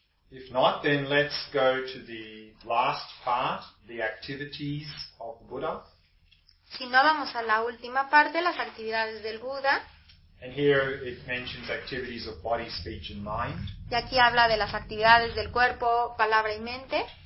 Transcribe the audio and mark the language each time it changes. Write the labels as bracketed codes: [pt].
[en] If not, then let's go to the last part, the activities of Buddha. [es] Si no, vamos a la última parte, las actividades del Buda. [en] And here it mentions activities of body, speech and mind. [es] Y aquí habla de las actividades del cuerpo, palabra y mente.